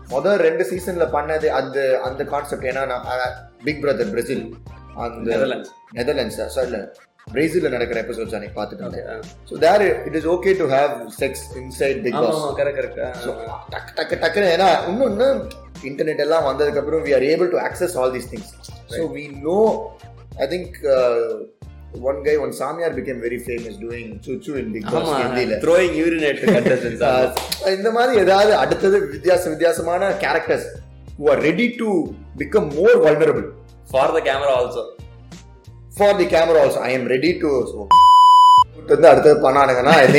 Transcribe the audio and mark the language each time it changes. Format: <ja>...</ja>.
<ta>முதல் ரெண்டு சீசன்ல பண்ணது அந்த அந்த கான்செப்ட் ஏன்னா பிக் பிரதர் பிரேசில் அந்த நெதர்லாண்ட்ஸ் பிரேசில்ல நடக்கிற எபிசோட்ஸ் அன்னைக்கு பாத்துட்டாலே.</ta> <en>So there it is okay to have sex inside Bigg Boss.</en> <ta>ஆமா கரெக்ட். சோ டக் டக் டக் ஏனா இன்னும் இன்டர்நெட் எல்லாம் வந்ததுக்கு அப்புறம்</ta> <en>we are able to access all these things. சோ we know I think one guy one samyar became very famous doing chuchu in Bigg Boss Hindi throwing urine at contestants.</en> <ta>இந்த மாதிரி ஏதாவது அடுத்தது வித்தியாசமான</ta> <en>characters who are ready to become more vulnerable for the camera also. For the camera also, I am ready to</en> <ta>வந்து அடுத்தது பண்ணானுங்கன்னா</ta>